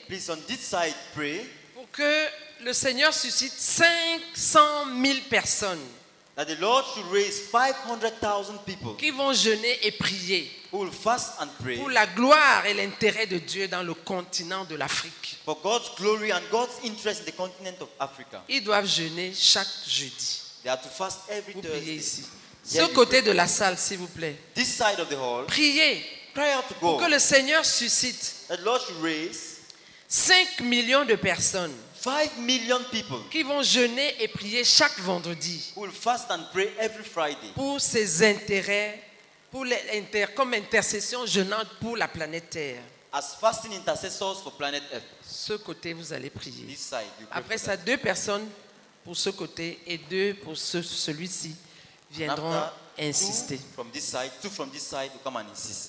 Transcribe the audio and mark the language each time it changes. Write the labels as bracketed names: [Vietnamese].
[English] Please on this side pray. [French] Pour que le Seigneur suscite 500 000 personnes. [English] That the Lord should raise 500,000 people. [French] Qui vont jeûner et prier. [English] Who will fast and pray. [French] Pour la gloire et l'intérêt de Dieu dans le continent de l'Afrique. [English] For God's glory and God's interest in the continent of Africa. [French] Ils doivent jeûner chaque jeudi. [English] They have to fast every [French] Vous priez [English] Thursday. [French] Ici. Ce yeah, côté de la salle, s'il vous plaît. [English] This side of the hall. [French] Priez. [English] Pray out to God. [French] Pour que le Seigneur suscite. [English] That the Lord should raise. [French] 5 millions de personnes. [English] 5 million people. [French] Qui vont jeûner et prier chaque vendredi. [English] Who will fast and pray every Friday. [French] Pour ses intérêts, pour les comme intercession jeûnante pour la planète Terre. [English] As fasting intercessors for planet Earth. [French] Ce côté, vous allez prier. [English] This side, you pray. [French] Après ça, deux personnes pour ce côté et deux pour celui-ci. Viendront insister. [English] Two from this side, two from this side, come and insist.